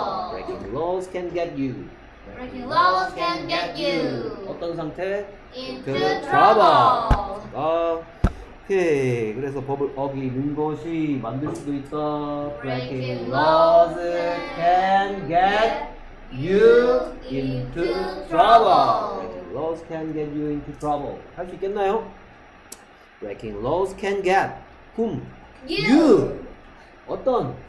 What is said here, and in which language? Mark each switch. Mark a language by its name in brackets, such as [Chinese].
[English] breaking laws can get you. Breaking laws can get you. [Korean] 어떤 상태? [English] Into trouble. [Korean] 아, 오케이. 그래서 법을 어기는 것이 만들 수도 있다. [English] Breaking laws can get you into trouble. Breaking laws can get you into trouble. [Korean] 할 수 있겠나요? [English] Breaking laws can get whom? You. [Korean] 어떤?